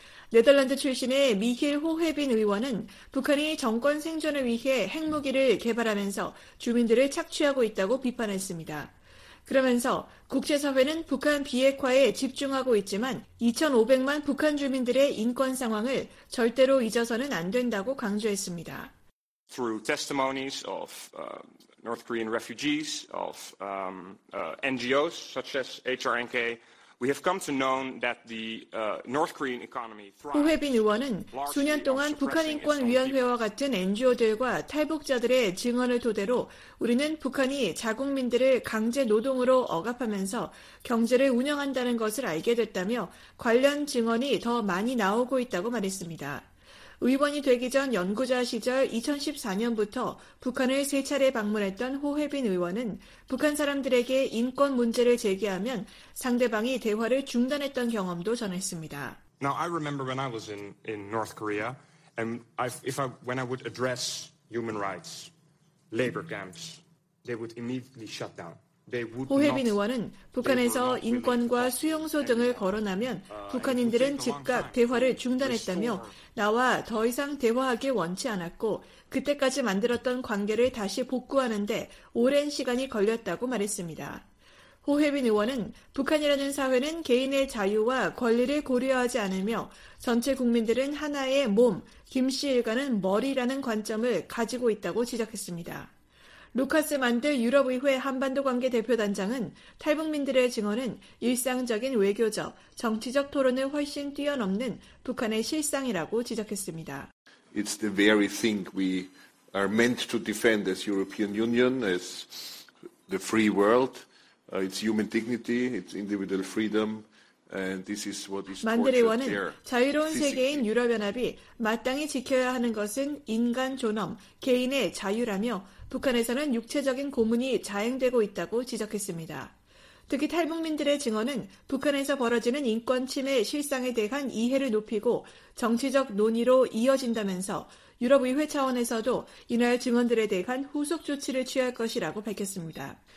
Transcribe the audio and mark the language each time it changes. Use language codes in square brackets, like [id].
[ko] 네덜란드 출신의 미힐 호혜빈 의원은 북한이 정권 생존을 위해 핵무기를 개발하면서 주민들을 착취하고 있다고 비판했습니다. 그러면서 국제사회는 북한 비핵화에 집중하고 있지만 2,500만 북한 주민들의 인권 상황을 절대로 잊어서는 안 된다고 강조했습니다. [en] Through testimonies of North Korean refugees, of NGOs such as HRNK, we have come to know that the North Korean economy. [ko] 호혜빈 의원은 수년 동안 북한 인권 위원회와 같은 NGO들과 탈북자들의 증언을 토대로 우리는 북한이 자국민들을 강제 노동으로 억압하면서 경제를 운영한다는 것을 알게 됐다며 관련 증언이 더 많이 나오고 있다고 말했습니다. 의원이 되기 전 연구자 시절 2014년부터 북한을 세 차례 방문했던 호혜빈 의원은 북한 사람들에게 인권 문제를 제기하면 상대방이 대화를 중단했던 경험도 전했습니다. [en] Now I remember when I was in North Korea and when I would address human rights labor camps they would immediately shut down. [ko] 호혜빈 의원은 북한에서 인권과 수용소 등을 거론하면 북한인들은 즉각 대화를 중단했다며 나와 더 이상 대화하길 원치 않았고 그때까지 만들었던 관계를 다시 복구하는데 오랜 시간이 걸렸다고 말했습니다. 호혜빈 의원은 북한이라는 사회는 개인의 자유와 권리를 고려하지 않으며 전체 국민들은 하나의 몸, 김 씨 일가는 머리라는 관점을 가지고 있다고 지적했습니다. 루카스 만드 유럽의회 한반도관계대표단장은 탈북민들의 증언은 일상적인 외교적, 정치적 토론을 훨씬 뛰어넘는 북한의 실상이라고 지적했습니다. [en] It's the very thing we are meant to defend as European Union, as the free world. It's human dignity, it's individual freedom. And this is what is [ko] 만드 의원은 자유로운 세계인 유럽연합이 마땅히 지켜야 하는 것은 인간 존엄, 개인의 자유라며 북한에서는 육체적인 고문이 자행되고 있다고 지적했습니다. 특히 탈북민들의 증언은 북한에서 벌어지는 인권 침해 실상에 대한 이해를 높이고 정치적 논의로 이어진다면서 유럽의회 차원에서도 이날 증언들에 대한 후속 조치를 취할 것이라고 밝혔습니다.